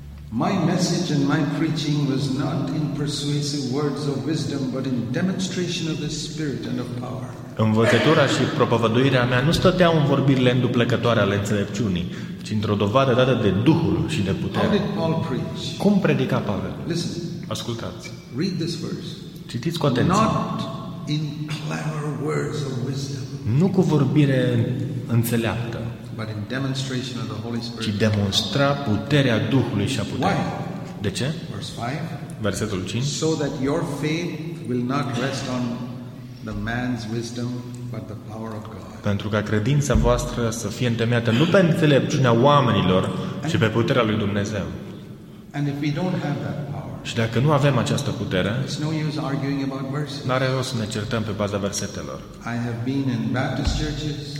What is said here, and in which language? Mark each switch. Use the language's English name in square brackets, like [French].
[English] My message and my preaching was not in persuasive words of wisdom, but in demonstration of the Spirit and of power. [Romanian] Învățătura și propovăduirea mea nu stăteau în vorbirile înduplecătoare ale înțelepciunii, ci într-o dovadă dată de Duhul și de putere. Cum predica Pavel? [English] Listen. [Romanian] Ascultați. [English] Read this verse. [Romanian] Citiți cu atenție. [English] Not in clever words of wisdom. [Romanian] Nu cu vorbire înțeleaptă, [English] but in demonstration of the Holy Spirit. [Romanian] Ci demonstra puterea Duhului și a puterii. [English] Why? [Romanian] De ce? [English] Verse 5. [Romanian] Versetul 5. [English] So that your faith will not rest on the man's wisdom, but the power of God. [Romanian] Pentru ca credința voastră să fie întemeiată nu pe înțelepciunea oamenilor, ci pe puterea lui Dumnezeu. [English] And if we don't have that power, [Romanian] și dacă nu avem această putere, [English] it's no use arguing about verses. [Romanian] N-are rost să ne certăm pe baza versetelor. [English] I have been in Baptist churches,